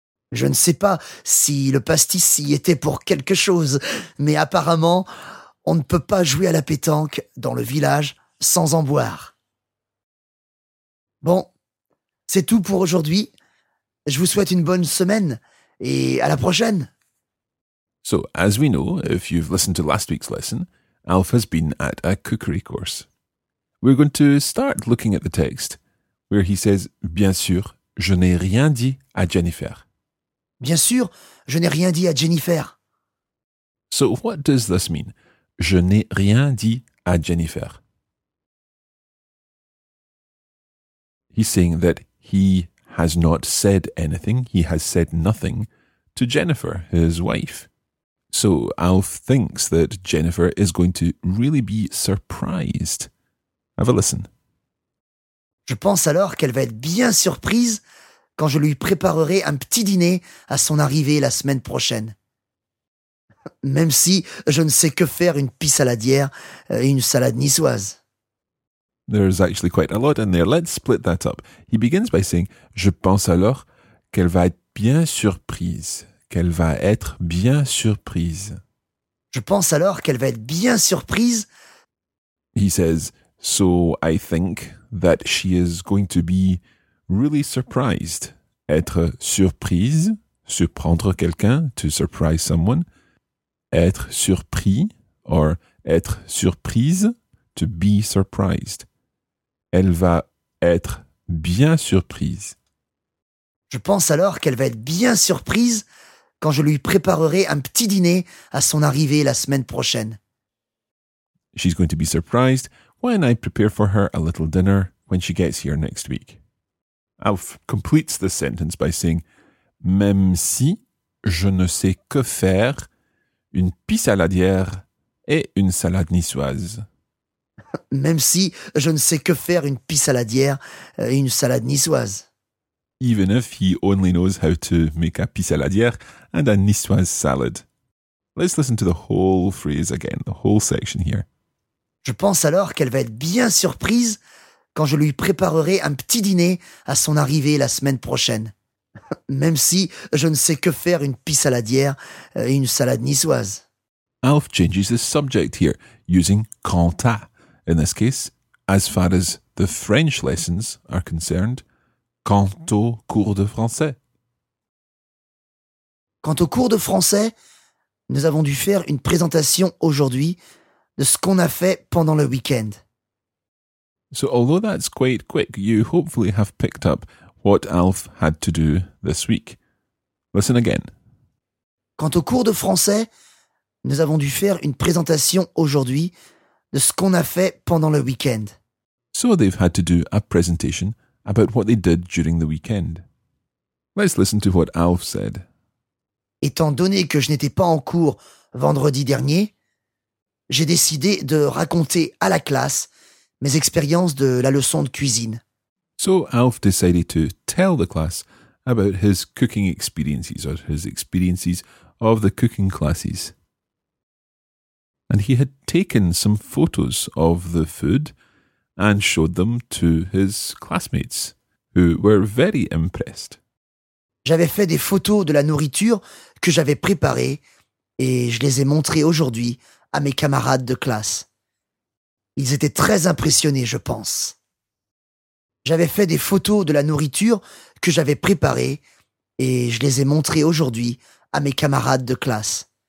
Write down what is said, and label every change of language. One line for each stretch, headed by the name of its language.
French: Je ne sais pas si le pastis y était pour quelque chose, mais apparemment, on ne peut pas jouer à la pétanque dans le village sans en boire. Bon, c'est tout pour aujourd'hui. Je vous souhaite une bonne semaine et à la prochaine.
English: So, as we know, if you've listened to last week's lesson, Alf has been at a cookery course. We're going to start looking at the text, where he says,
French: bien sûr, je n'ai rien dit à Jennifer. Bien sûr, je n'ai rien dit à Jennifer.
English: So what does this mean?
French: Je n'ai rien dit à Jennifer.
English: He's saying that he has not said anything, he has said nothing to Jennifer, his wife. So Alf thinks that Jennifer is going to really be surprised. Have a listen.
French: Je pense alors qu'elle va être bien surprise quand je lui préparerai un petit dîner à son arrivée la semaine prochaine. Même si je ne sais que faire une pissaladière et une salade niçoise.
English: There's actually quite a lot in there. Let's split that up. He begins by saying,
French: je pense alors qu'elle va être bien surprise. Qu'elle va être bien surprise. Je pense alors qu'elle va être bien surprise.
English: He says, so I think that she is going to be really surprised.
French: Être surprise, surprendre quelqu'un,
English: to surprise someone.
French: Être surpris, or être surprise,
English: to be surprised.
French: Elle va être bien surprise. Je pense alors qu'elle va être bien surprise quand je lui préparerai un petit dîner à son arrivée la semaine prochaine.
English: She's going to be surprised when I prepare for her a little dinner when she gets here next week. Alf completes the sentence by saying,
French: même si je ne sais que faire une pissaladière et une salade niçoise. Même si je ne sais que faire une pissaladière et une salade niçoise.
English: Even if he only knows how to make a pissaladière and a niçoise salad. Let's listen to the whole phrase again, the whole section here.
French: Je pense alors qu'elle va être bien surprise quand je lui préparerai un petit dîner à son arrivée la semaine prochaine. Même si je ne sais que faire une pissaladière et une salade niçoise.
English: Alf changes the subject here, using
French: quant à.
English: In this case, as far as the French lessons are concerned,
French: quant au cours de français. Quant au cours de français, nous avons dû faire une présentation aujourd'hui de ce qu'on a fait pendant le week-end.
English: So although that's quite quick, you hopefully have picked up what Alf had to do this week. Listen again.
French: Quant au cours de français, nous avons dû faire une présentation aujourd'hui de ce qu'on a fait pendant le week-end.
English: So they've had to do a presentation about what they did during the weekend. Let's listen to what Alf said.
French: Étant donné que je n'étais pas en cours vendredi dernier, j'ai décidé de raconter à la classe mes expériences de la leçon de cuisine.
English: So Alf decided to tell the class about his cooking experiences or his experiences of the cooking classes. And he had taken some photos of the food and showed them to his classmates, who were very impressed.
French: J'avais fait des photos de la nourriture que j'avais préparée et je les ai montrées aujourd'hui à mes camarades de classe. Ils étaient très impressionnés, je pense. J'avais fait des photos de la nourriture que j'avais préparée et je les ai montrées aujourd'hui à mes camarades de classe.